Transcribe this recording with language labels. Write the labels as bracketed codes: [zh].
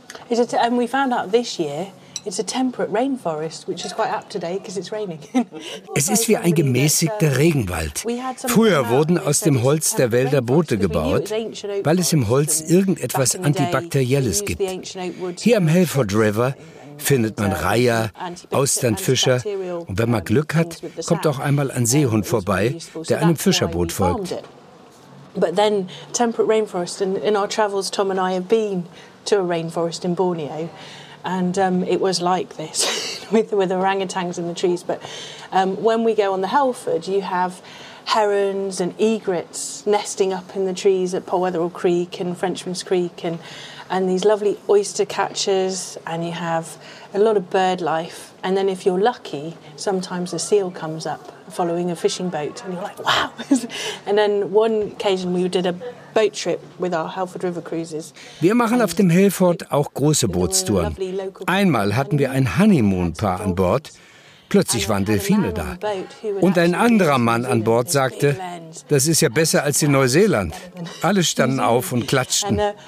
[en] And we found out this year it's a temperate rainforest, which is quite apt today because it's raining. [de] Es ist wie ein gemäßigter Regenwald. Früher wurden aus dem Holz der Wälder Boote gebaut, weil es im Holz irgendetwas Antibakterielles gibt. Hier am Helford River findet man Reiher, Austernfischer und wenn man Glück hat, kommt auch einmal ein Seehund vorbei, der einem Fischerboot folgt. [en] But then temperate rainforest, and in our travels Tom and I have been to a rainforest in Borneo, and it was like this with orangutans in the trees. But when we go on the Helford, you have herons and egrets nesting up in the trees at Polwetherall Creek and Frenchman's Creek, and these lovely oyster catchers, and you have a lot of bird life. And then if you're lucky, sometimes a seal comes up following a fishing boat, and you're like, wow. And then one occasion we did a boat trip with our Helford River cruises. [de] Wir machen auf dem Helford auch große Bootstouren. Einmal hatten wir ein Honeymoon-Paar an Bord. Plötzlich waren Delfine da. Und ein anderer Mann an Bord sagte, das ist ja besser als in Neuseeland. Alle standen auf und klatschten.